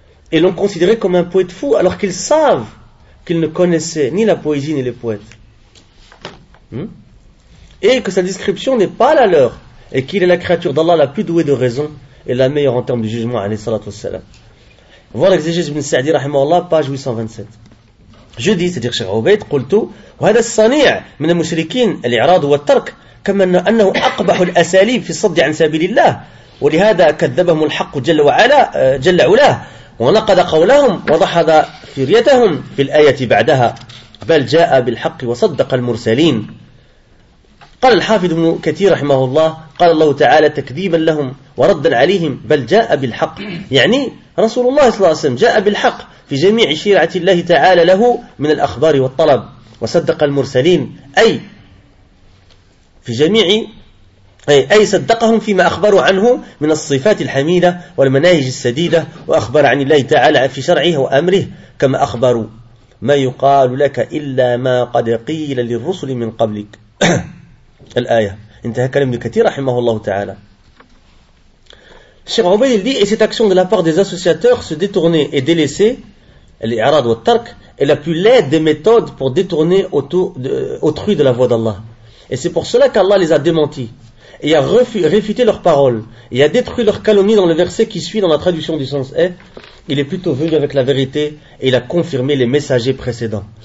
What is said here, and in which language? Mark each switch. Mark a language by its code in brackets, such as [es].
[fr] Et l'ont considéré comme un poète fou, alors qu'ils savent qu'ils ne connaissaient ni la poésie ni les poètes. Et que sa description n'est pas la leur, et qu'il est la créature d'Allah la plus douée de raison et la meilleure en termes de jugement. Voir l'exégèse ibn Sa'di, page 827. Je dis, c'est-à-dire Cheikh Obeid, [ar] قلت وهذا الصنيع من المشركين الإعراض والترك كما أنه أقبح الأساليب في الصد عن سبيل الله ولهذا كذبهم الحق جل وعلا جل علاه ونقض قولهم وضحض فريتهم في الآية بعدها بل جاء بالحق وصدق المرسلين. قال الحافظ ابن كثير رحمه الله قال الله تعالى تكذيبا لهم وردا عليهم بل جاء بالحق، يعني رسول الله صلى الله عليه وسلم جاء بالحق في جميع شريعة الله تعالى له من الأخبار والطلب وصدق المرسلين، أي في جميع أي صدقهم فيما أخبروا عنه من الصفات الحميدة والمناهج السديدة، وأخبر عن الله تعالى في شرعه وأمره كما أخبروا ما يقال لك إلا ما قد قيل للرسل من قبلك الآية، انتهى كلام الكثير رحمه الله تعالى. [fr] Cheikh Roubaix dit, et cette action de la part des associateurs, se détourner et délaisser, l' [ar] i'rad wa tark, [fr] est la plus laide des méthodes pour détourner autrui de la voie d'Allah. Et c'est pour cela qu'Allah les a démentis, et a réfuté leurs paroles, et a détruit leurs calomnies dans le verset qui suit dans la traduction du sens est, il est plutôt venu avec la vérité, et il a confirmé les messagers précédents.